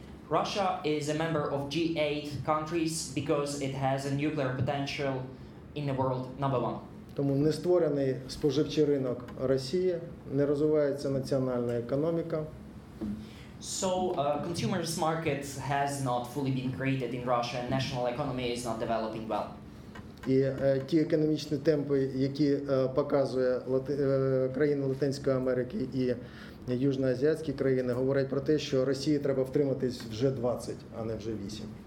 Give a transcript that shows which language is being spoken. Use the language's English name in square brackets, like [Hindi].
[English] Russia is a member of G8 countries because it has a nuclear potential in the world number one. [Ukrainian] Тому не створений споживчий ринок Росії, не розвивається національна економіка. [English] So, consumers market has not fully been created in Russia, and national economy is not developing well. [Ukrainian] І ті економічні темпи, які показує країни Латинської Америки і Южноазіатські країни, говорять про те, що Росії треба втриматись в G20, а не в G8.